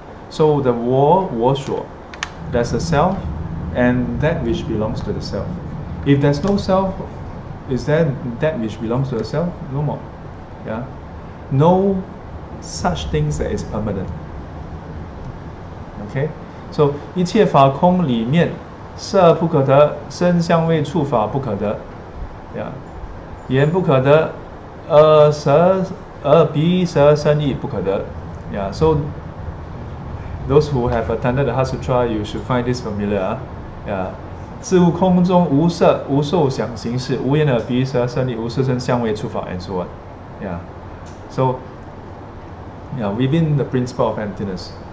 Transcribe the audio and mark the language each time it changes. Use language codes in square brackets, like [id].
[en] So the 我我所 ，there's a self, and that which belongs to the self. If there's no self, is there that which belongs to the self? No more. Yeah, no such things that is permanent. Okay. [zh] So, 一切法空里面，色不可得，声香味触法不可得， yeah. 言不可得，耳鼻舌身意不可得， yeah. [en] So, those who have attended the Heart Sutra, you should find this familiar. Yeah. [zh] 自悟空中无色，无受想行识，无眼耳鼻舌身意，无色声香味触法 [en] and so on. Yeah. So, yeah, within the principle of emptiness.